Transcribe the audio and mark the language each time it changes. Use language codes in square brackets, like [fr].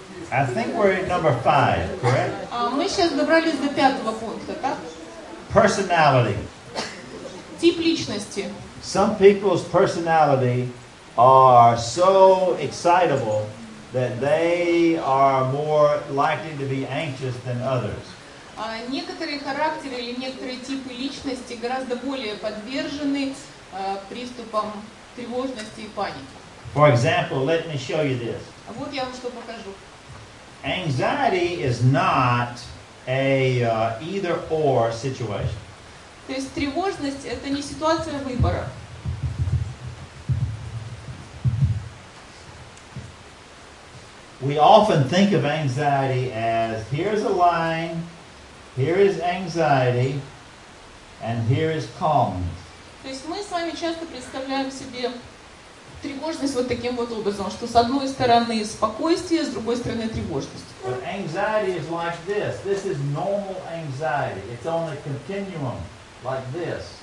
[en] I think we're at number five, correct? [ru] Мы сейчас добрались до пятого пункта, так? [en] Personality. [ru] Тип личности. [en] Some people's personality are so excitable that they are more likely to be anxious than others. [ru] Некоторые характеры или некоторые типы личности гораздо более подвержены приступам тревожности и паники. [en] For example, let me show you this. [ru] Вот я вам что покажу. [en] Anxiety is not a either-or situation. [ru] То есть тревожность — это не ситуация выбора. [en] We often think of anxiety as here's a line, here is anxiety, and here is calmness. [ru] То есть мы с вами часто представляем себе тревожность вот таким вот образом, что с одной стороны спокойствие, с другой стороны тревожность. [en] But anxiety is like this. This is normal anxiety. It's on a continuum, like this.